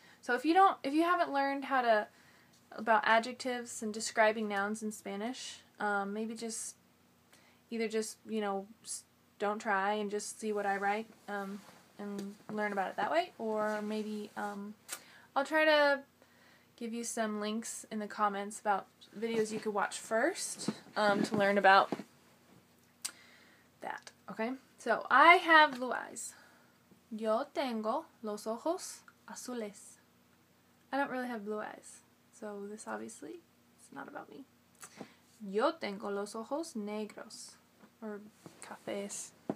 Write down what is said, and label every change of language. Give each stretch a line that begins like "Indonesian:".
English: So if you haven't learned how to, about adjectives and describing nouns in Spanish, maybe just, either just, you know, don't try and just see what I write, and learn about it that way, or maybe, I'll try to give you some links in the comments about videos you could watch first to learn about that, okay? So, I have blue eyes.
Spanish: Yo tengo los ojos azules.
English: I don't really have blue eyes, so this obviously is not about me.
Spanish: Yo tengo los ojos negros, or cafés.